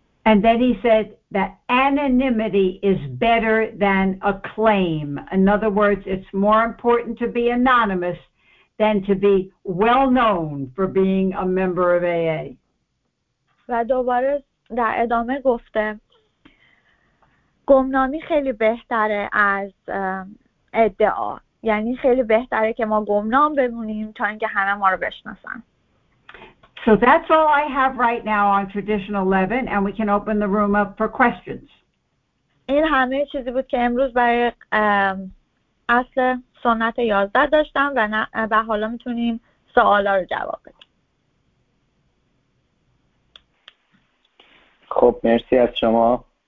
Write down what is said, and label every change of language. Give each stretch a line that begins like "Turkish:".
English: And then he said that anonymity is better than a claim. In other words, it's more important to be anonymous than to be well known for being a member of AA.
Persian: و دوباره در ادامه گفته گمنامی خیلی بهتره از ادعا، یعنی خیلی بهتره که ما گمنام بمونیم تا اینکه همه ما رو بشناسن.
English: So that's all I have right now on tradition 11 and we can open the room up for questions.
Persian: این همه چیزی بود که امروز برای اصل سنت 11 داشتم و به حالا میتونیم سوالا رو جواب بدیم. خب مرسی از شما.